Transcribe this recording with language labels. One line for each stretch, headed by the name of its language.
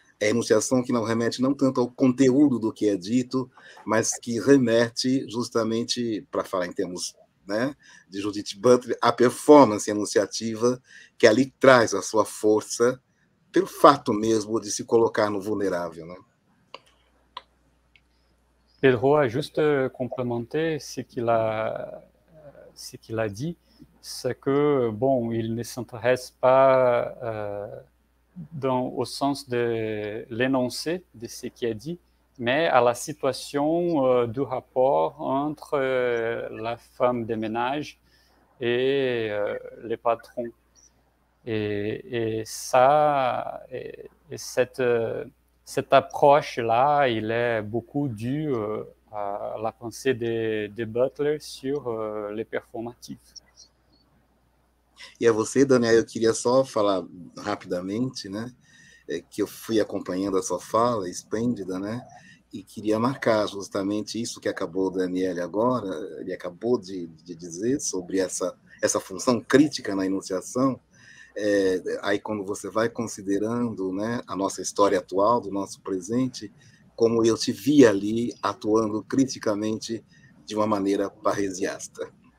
Portuguese: É enunciação que não remete não tanto ao conteúdo do que é dito, mas que remete justamente, para falar em termos, né, de Judith Butler, à performance enunciativa que ali traz a sua força pelo fato mesmo de se colocar no vulnérable, né?
French: Pedro, juste complémenter ce qu'il a dit, c'est que, bon, il ne s'intéresse pas dans au sens de l'énoncé de ce qui est dit, mais à la situation du rapport entre la femme de ménage et le patron. Cette approche-là, il est beaucoup dû à la pensée de Butler sur les performatifs.
Portuguese: E a você, Daniel, eu queria só falar rapidamente, né, que eu fui acompanhando a sua fala, esplêndida, né, e queria marcar justamente isso que acabou o Daniel agora, ele acabou de dizer sobre essa função crítica na enunciação, aí quando você vai considerando, né, a nossa história atual, do nosso presente, como eu te vi ali atuando criticamente de uma maneira parresiasta.